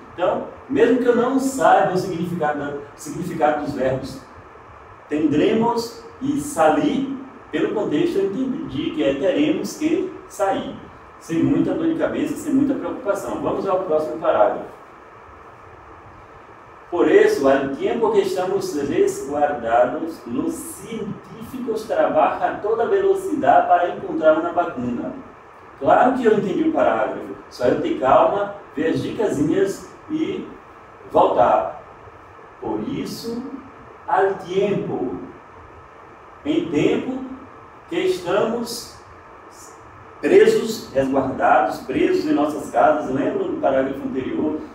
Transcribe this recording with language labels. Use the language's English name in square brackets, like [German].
[Portuguese] Então, mesmo que eu não saiba o significado dos verbos tendremos e salir, pelo contexto eu entendi que é teremos que sair, sem muita dor de cabeça, sem muita preocupação. Vamos ao próximo parágrafo. Por isso, [Spanish] al tiempo que estamos resguardados, los científicos trabajan a toda velocidad para encontrar una vacuna. [Portuguese] Claro que eu entendi o parágrafo, só eu ter calma, ver as dicasinhas e voltar. Por isso, [Spanish] al tiempo, [Portuguese] em tempo que estamos presos, resguardados, presos em nossas casas, lembra do parágrafo anterior?